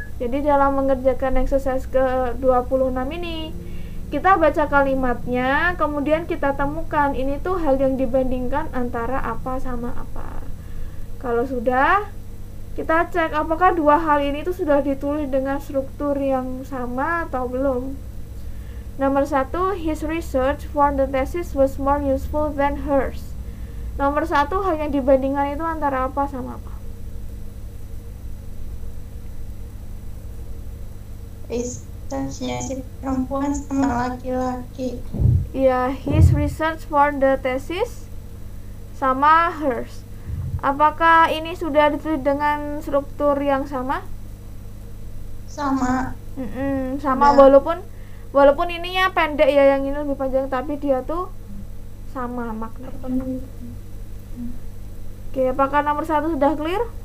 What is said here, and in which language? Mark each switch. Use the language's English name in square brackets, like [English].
[Indonesian] Jadi dalam mengerjakan exercise ke 26 ini, kita baca kalimatnya, kemudian kita temukan ini tuh hal yang dibandingkan antara apa sama apa. Kalau sudah, kita cek apakah dua hal ini tuh sudah ditulis dengan struktur yang sama atau belum. [English] Nomor 1, his research for the thesis was more useful than hers. [Indonesian] Nomor 1, hal yang dibandingkan itu antara apa sama apa? Researchnya si perempuan sama laki-laki. [English] Iya, his research for the thesis sama hers. [Indonesian] Apakah ini sudah ditulis dengan struktur yang sama? Sama. Sama ya. Walaupun ininya pendek ya, yang ini lebih panjang, tapi dia tuh sama makna. Oke, apakah nomor 1 sudah clear?